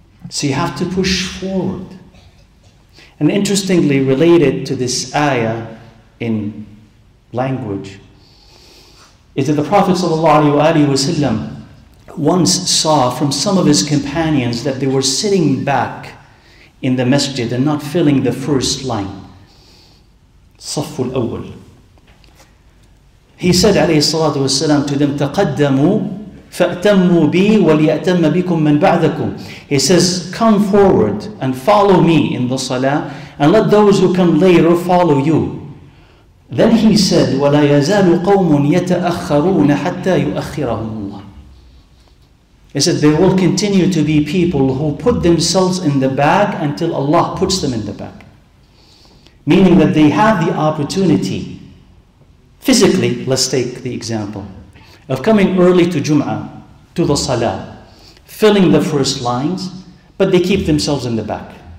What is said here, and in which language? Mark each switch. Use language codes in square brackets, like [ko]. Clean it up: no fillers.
[en] So you have to push forward. And interestingly, related to this ayah in language, is that the Prophet ﷺ once saw from some of his companions that they were sitting back in the masjid and not filling the first line. [ar] صف الأول. [en] He said [ar] عليه الصلاة والسلام [en] to them, [ar] تقدموا فأتموا بي وليأتم بكم من بعدكم. [en] He says, come forward and follow me in the salah and let those who come later follow you. Then he said, [ar] ولا يزال قوم يتأخرون حتى يؤخرهم. [en] He said, they will continue to be people who put themselves in the back until Allah puts them in the back. Meaning that they have the opportunity, physically, let's take the example, of coming early to Jum'ah, to the Salah, filling the first lines, but they keep themselves in the back.